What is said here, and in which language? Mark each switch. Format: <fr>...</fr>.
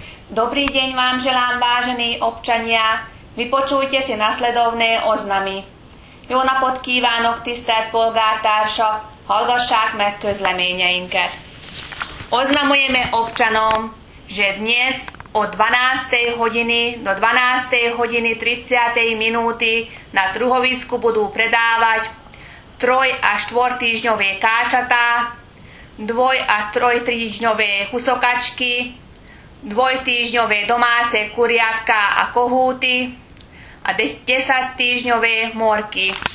<sk>Dobrý deň vám želám, vážení občania. Vypočujte si nasledovné oznamy.</sk> <hu>Jó napot kívánok, tisztelt polgártársa, hallgassák meg közleményeinket.</hu> <sk>Oznamujeme občanom, že dnes od 12. hodiny do 12. hodiny 30. minúty na truhovisku budú predávať troj- a štvortýždňové káčatá, dvoj- a trojtýždňové husokačky, dvojtýždňové domáce kuriatka a kohúty a 10-týždňové morky.</sk>